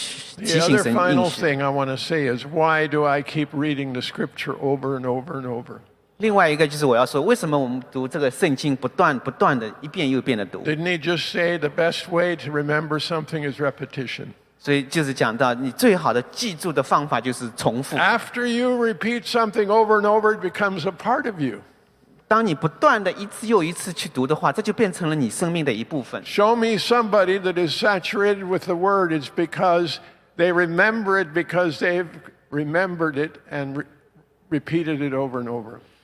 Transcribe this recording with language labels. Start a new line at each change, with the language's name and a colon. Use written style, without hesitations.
English: The other final thing I want to say is, why do I keep reading the scripture over and over and over?
Chinese: 另外一个就是我要说，为什么我们读这个圣经不断的一遍又一遍的读？
English: Didn't he just say the best way to remember something is repetition?
Chinese: 所以就是讲到你最好的记住的方法就是重复。
English: After you repeat something over and over, it becomes a part of you.
Chinese: 当你不断的一次又一次去读的话，这就变成了你生命的一部分。
English: Show me somebody that is saturated with the word. It's because they remember it because they've remembered it and repeated it over and over.